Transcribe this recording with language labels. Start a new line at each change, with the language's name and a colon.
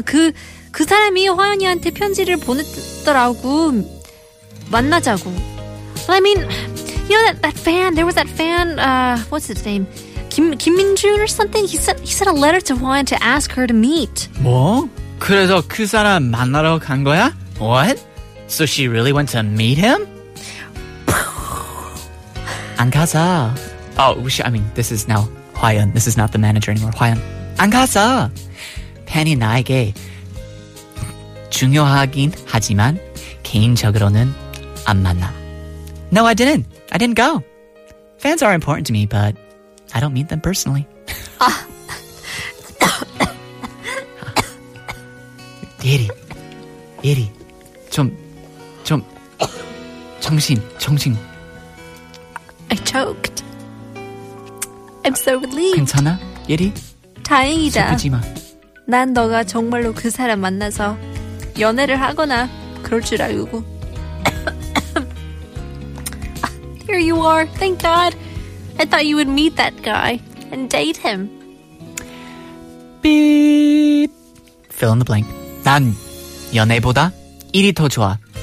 Korean: 그 사람이 화연이한테 편지를 보냈더라고. 만나자고.
English: Well, I mean, you know that fan, there was that fan, what's his name? Kim Min-jun or something? He sent a letter to Hwayeon to ask her to meet.
Korean: 뭐? 그래서 그 사람 만나러 간 거야?
English: What? So she really went to meet him?
Korean: 안 가자.
English: Oh, I mean, this is now Hwayeon. This is not the manager anymore. Hwayeon. 안 가자.
Korean: 팬이 나에게 중요하긴 하지만 개인적으로는 안 만나.
English: No, I didn't. I didn't go. Fans are important to me, but I don't meet them personally.
Korean: Yeri. Yeri. 좀 정신.
English: I choked. I'm so relieved.
Korean: 괜찮아, 예리? 다행이다. 슬프지 마. 난 너가 정말로 그 사람 만나서 연애를 하거나 그럴 줄 알고.
English: Here you are. Thank God. I thought you would meet that guy and date him. Beep. Fill in the blank.
Korean: 난 연애보다 일이 더 좋아.